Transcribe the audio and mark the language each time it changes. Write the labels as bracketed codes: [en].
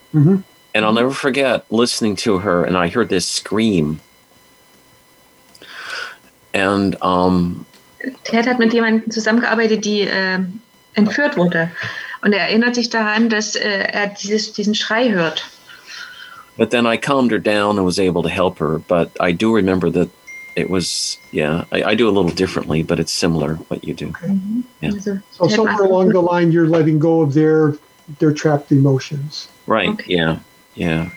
[en] Mm-hmm. And I'll never forget listening to her, and I heard this scream. And [de] Ted hat mit jemandem zusammengearbeitet, die entführt wurde, und erinnert sich daran, dass diesen Schrei hört. [en] But then I calmed her down and was able to help her. But I do remember that it was, yeah, I do a little differently, but it's similar what you do. Mm-hmm. Yeah. So somewhere along the line, you're letting go of their trapped emotions. Right, okay. Yeah, yeah.